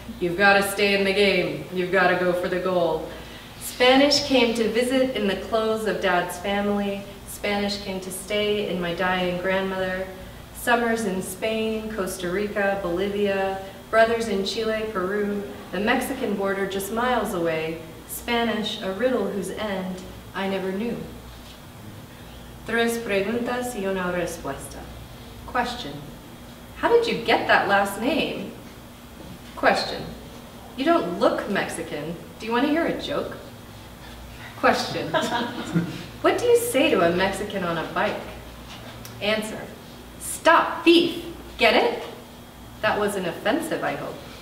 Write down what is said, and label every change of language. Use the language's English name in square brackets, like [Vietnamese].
[English] You've got to stay in the game. You've got to go for the goal. Spanish came to visit in the clothes of Dad's family. Spanish came to stay in my dying grandmother. Summers in Spain, Costa Rica, Bolivia, brothers in Chile, Peru, the Mexican border just miles away. Spanish, a riddle whose end I never knew. [Spanish] Tres preguntas y una respuesta. [English] Question. How did you get that last name? Question. You don't look Mexican. Do you want to hear a joke? Question. What do you say to a Mexican on a bike? Answer. Stop, thief. Get it? That wasn't offensive, I hope.